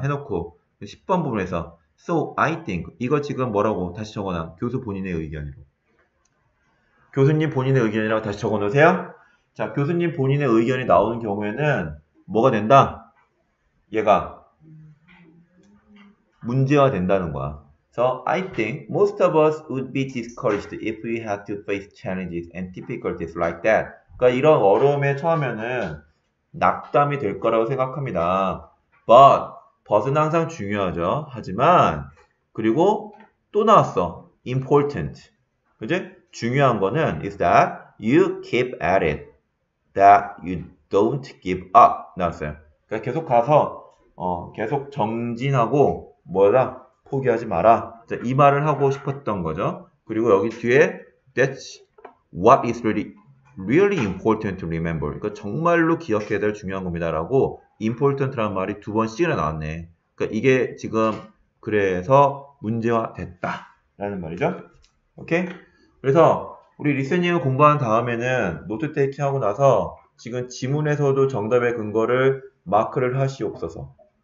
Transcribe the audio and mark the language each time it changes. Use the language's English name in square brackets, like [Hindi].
[Korean] 해놓고 10번 부분에서 [English] So I think [Korean] 이거 지금 뭐라고 다시 적어놔 교수 본인의 의견으로 교수님 본인의 의견이라고 다시 적어놓으세요. 자 교수님 본인의 의견이 나오는 경우에는 뭐가 된다 얘가 문제화 된다는 거야. [English] So I think most of us would be discouraged if we had to face challenges and difficulties like that. [Korean] 그러니까 이런 어려움에 처하면은 낙담이 될 거라고 생각합니다. But은 항상 중요하죠. 하지만 그리고 또 나왔어. [English] Important. [Korean] 그지? 중요한 거는 [English] is that you keep at it. That you don't give up. [Korean] 나왔어요. 그러니까 계속 가서 계속 정진하고 뭐라 포기하지 마라. 자, 이 말을 하고 싶었던 거죠. 그리고 여기 뒤에 [English] that's what is really really important to remember. [Korean] 그러니까 정말로 기억해야 될 중요한 겁니다라고 important라는 말이 두 번씩이나 나왔네. 그러니까 이게 지금 그래서 문제화 됐다라는 말이죠. 오케이? 그래서 우리 리스닝을 공부한 다음에는 노트 테이킹 하고 나서 지금 지문에서도 정답의 근거를 마크를 하시옵소서.